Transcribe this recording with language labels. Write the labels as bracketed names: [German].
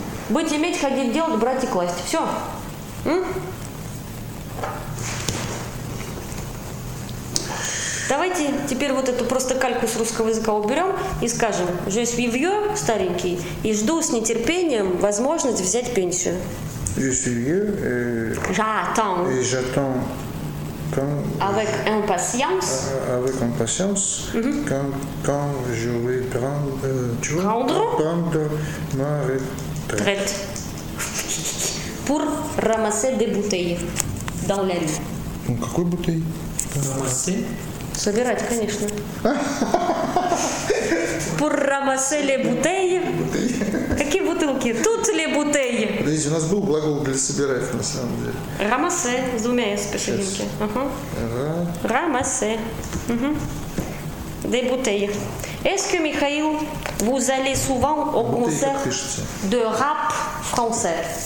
[Russian] Быть, иметь, ходить, делать, брать и класть. Все. Давайте теперь вот эту просто кальку с русского языка уберем и скажем [French] «Je suis vieux, [Russian] старенький, и жду с нетерпением возможность взять пенсию». [French] «Je suis vieux et j'attends quand... Avec impatience quand je vais prendre, prendre ma retraite. Pour ramasser des bouteilles dans la rue». [Russian] «Какой бутылки?» [French] «Ramasser». [Russian] Собирать, конечно. [French] Pour ramasser les bouteilles. [Russian] Какие бутылки? Тут ли бутылки? Подождите, у нас был глагол для собирать, на самом деле. Ramasser, с двумя S посерединке. [French] Ramasser. Des bouteilles. Est-ce que, Михаил, vous allez souvent au concert de rap français?